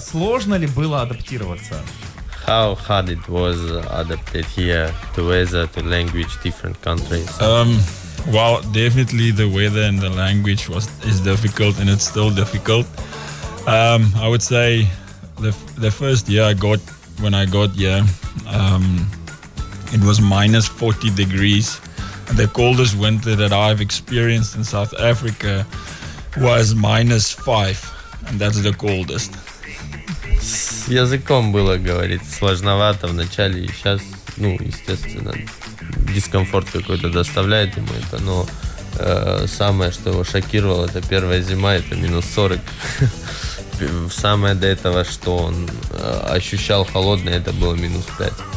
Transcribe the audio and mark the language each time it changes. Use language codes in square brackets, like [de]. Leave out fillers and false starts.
[ru] Сложно ли было адаптироваться? [en] How hard it was adapted here, the weather, the language, different countries? Well, definitely the weather and the language is difficult and it's still difficult. I would say the first year I got, when I got here, it was minus 40 degrees. The coldest winter that I've experienced in South Africa was minus 5, and that's the coldest. [ru] С языком было, говорит, сложновато в начале, и сейчас, ну, естественно, дискомфорт какой-то доставляет ему это, но самое, что его шокировало, это первая зима, это минус 40. Самое до этого, что он ощущал холодное, это было минус 5.